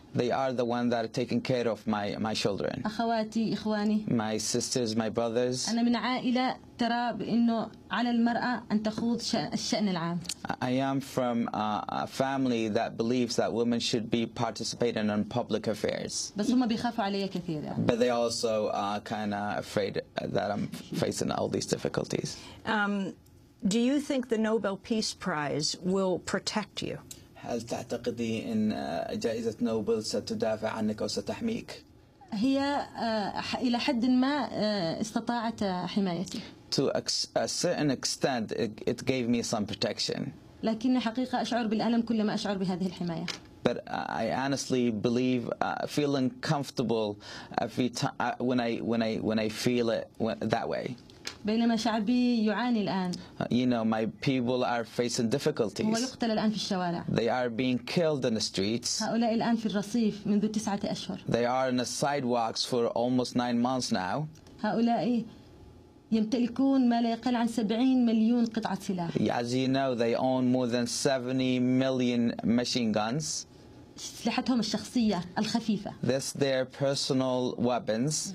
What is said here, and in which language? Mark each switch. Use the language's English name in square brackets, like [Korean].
[English] They are the ones that are taking care of my children. [Arabic] أخواتي إخواني. [English] My sisters, my brothers. [Arabic] أنا من عائلة ترى بأنه على المرأة أن تخوض الشأن العام. [English] I am from a family that believes that women should be participating in public affairs. [Arabic] بس هم بيخافوا علي كثير. [English] But they also are kind of afraid that I'm facing all these difficulties. Do you think the Nobel Peace Prize will protect you? [Arabic] هل تعتقدي أن جائزة نوبل ستدافع عنك أو ستحميك؟ هي إلى حد ما استطاعت حمايتي. [English] To a certain extent, it gave me some protection. [Arabic] لكن حقيقة أشعر بالألم كلما أشعر بهذه الحماية. [English] But I honestly believe feeling comfortable every time when I feel it that way. [Arabic] بينما شعبي يعاني الآن. [English] You know, my people are facing difficulties. [Arabic] هو يقتل الآن في الشوارع. [English] They are being killed in the streets. [Arabic] هؤلاء الآن في الرصيف منذ 9 أشهر. [English] They are in the sidewalks for almost 9 months now. [Arabic] هؤلاء يمتلكون ما لا يقل عن 70 مليون قطعة سلاح. [English] As you know, they own more than 70 million machine guns. [Arabic] أسلحتهم الشخصية الخفيفة. [English] That's their personal weapons.